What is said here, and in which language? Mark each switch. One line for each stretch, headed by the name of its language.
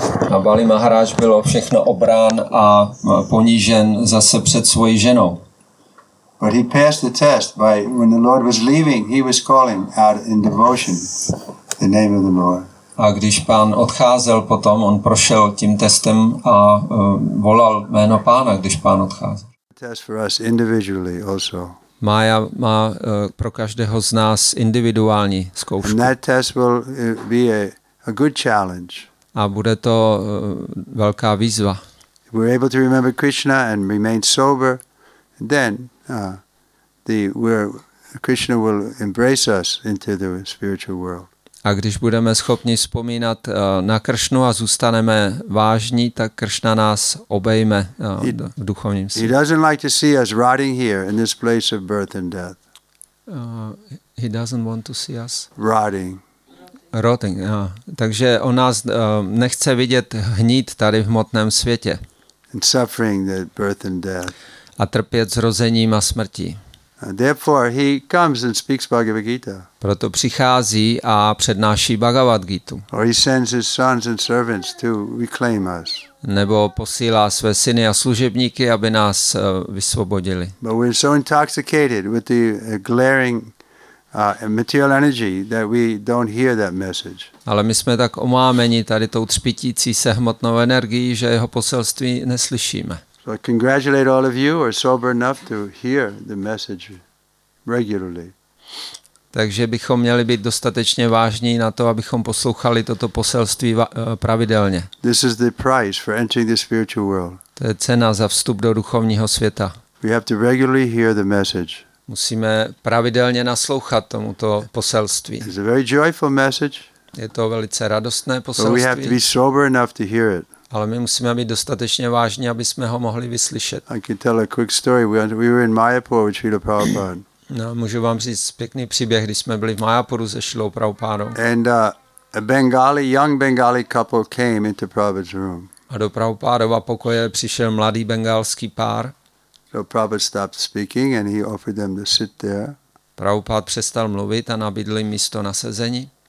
Czech: A Bali Maharaj bylo všechno obrán a ponížen zase před svojí ženou.
English: But he passed the test by when the Lord was leaving, he was calling out in devotion the name of the Lord.
Czech: A když pán odcházel potom, on prošel tím testem a volal jméno pána, když pán odcházel.
English: Test for us individually also.
Czech: Maja má pro každého z nás individuální zkoušku.
English: And that test will be a good challenge.
Czech: A bude to velká výzva.
English: If we're able to remember Krishna and remain sober, then where Krishna will embrace us into the spiritual world.
Czech: A když budeme schopni vzpomínat na Kršnu a zůstaneme vážní, tak Kršna nás obejme v duchovním světě.
English: He doesn't like to see us rotting here in this place of birth and death. He doesn't want to see us rotting. Rotting.
Czech: Takže on nás nechce vidět hnít tady v hmotném světě.
English: And suffering the birth and death.
Czech: A trpět zrozením a smrtí.
English: Therefore he comes and speaks Bhagavad Gita.
Czech: Proto přichází a přednáší Bhagavad Gitu.
English: Or he sends his sons and servants to reclaim us.
Czech: Nebo posílá své syny a služebníky, aby nás vysvobodili.
English: But we're so intoxicated with the glaring material energy that we don't hear that message.
Czech: Ale my jsme tak omámeni tady tou třpitící se hmotnou energií, že jeho poselství neslyšíme.
English: So I congratulate all of you who are sober enough to hear the message regularly.
Czech: Takže bychom měli být dostatečně vážní na to, abychom poslouchali toto poselství pravidelně.
English: This is the price for entering the spiritual world.
Czech: To je cena za vstup do duchovního světa.
English: We have to regularly hear the message.
Czech: Musíme pravidelně naslouchat tomuto poselství.
English: It's a very joyful message.
Czech: Je to velice radostné poselství.
English: But we have to be sober enough to hear it.
Czech: Ale my musíme být dostatečně vážní, aby jsme ho mohli vyslyšet.
English: I can tell a quick story. We were in Mayapur with Srila Prabhupada.
Czech: No, můžu vám říct pěkný příběh, když jsme byli v Mayapuru se Srilou Prabhupádou.
English: And a Bengali, young Bengali couple came into Prabhupada's room.
Czech: A do Prabhupádova pokoje přišel mladý bengalský pár.
English: So Prabhupada stopped speaking and he offered them to sit there.
Czech: Prabhupád přestal mluvit a nabídl jim místo na sezení.